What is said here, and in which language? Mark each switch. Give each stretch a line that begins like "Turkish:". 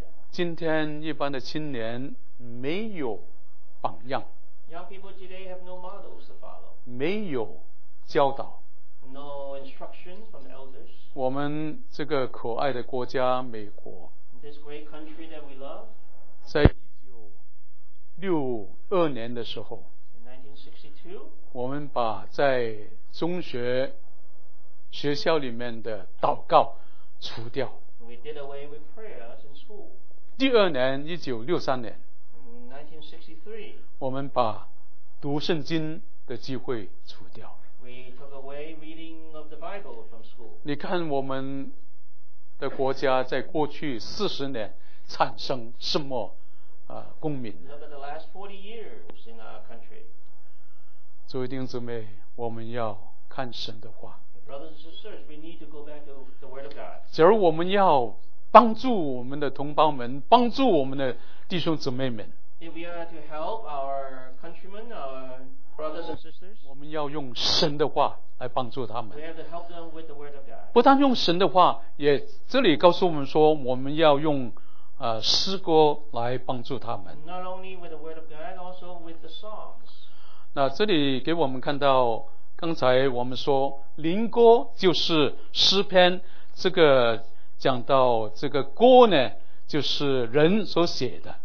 Chinese: 今天一般的青年没有榜样，
English: Young people today have no models to follow.
Chinese: 没有教导，
English: No instructions from elders.
Chinese: 我们这个可爱的国家美国，
English: This great country that we love.
Chinese: 在1962年的时候，
English: In 1962,
Chinese: 我们把在中学学校里面的祷告除掉。
English: We did away with prayers in school.
Chinese: 第二年1963年，
English: In 1963,
Chinese: 我们把读圣经的机会除掉。
English: We took away reading of the Bible from school.
Chinese: 你看我们的国家在过去40年产生什么公民。
English: Look at the last 40 years in our country.
Chinese: 诸位弟兄姊妹，我们要看神的话。
English: Brothers and sisters, we need to go back to the Word of God.
Chinese: 假如我们要帮助我们的同胞们，帮助我们的弟兄姊妹们，
English: If we are to help our countrymen, our brothers and sisters,
Chinese: 我们要用神的话来帮助他们。
English: We have to help them with the Word of God.
Chinese: 不但用神的话，也这里告诉我们说，我们要用诗歌来帮助他们。
English: Not only with the Word of God, also with the songs.
Chinese: 那这里给我们看到刚才我们说灵歌就是诗篇，这个讲到这个歌呢就是人所写的。